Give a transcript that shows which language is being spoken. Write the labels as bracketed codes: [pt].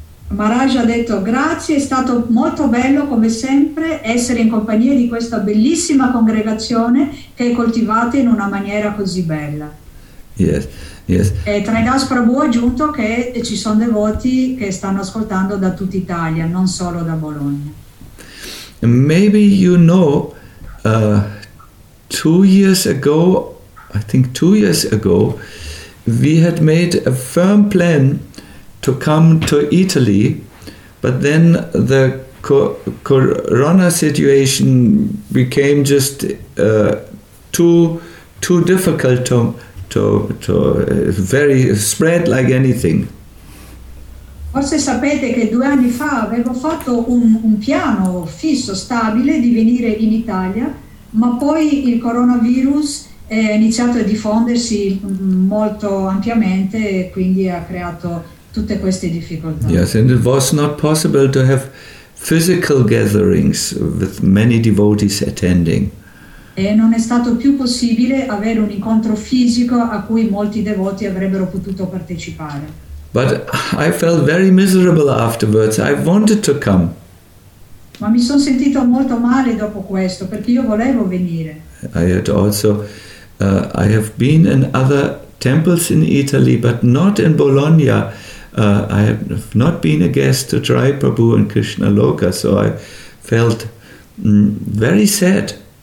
[it] Maharaj ha detto grazie, è stato molto bello come sempre essere in compagnia di questa bellissima congregazione che è coltivata in una maniera così bella. [en] Yes, yes. [it] E Trinidas Prabhu ha aggiunto che ci sono devoti che stanno ascoltando da tutta Italia, non solo da Bologna. [en] Maybe you know, 2 years ago, I think 2 years ago, we had made a firm plan to come to Italy, but then the corona situation became just too difficult to very spread like anything. [it] Forse sapete che 2 anni fa avevo fatto un piano fisso, stabile di venire in Italia, ma poi il coronavirus è iniziato a diffondersi molto ampiamente e quindi ha creato tutte queste difficoltà. [en] Yes, and it was not possible to have physical gatherings with many devotees attending. [it] E non è stato più possibile avere un incontro fisico a cui molti devoti avrebbero potuto partecipare. [en] But I felt very miserable afterwards. I wanted to come. [it] Ma mi sono sentito molto male dopo questo perché io volevo venire. [en] I have been in other temples in Italy, but not in Bologna. I have not been a guest to Tri Prabhu and Krishna Loka, so I felt very sad.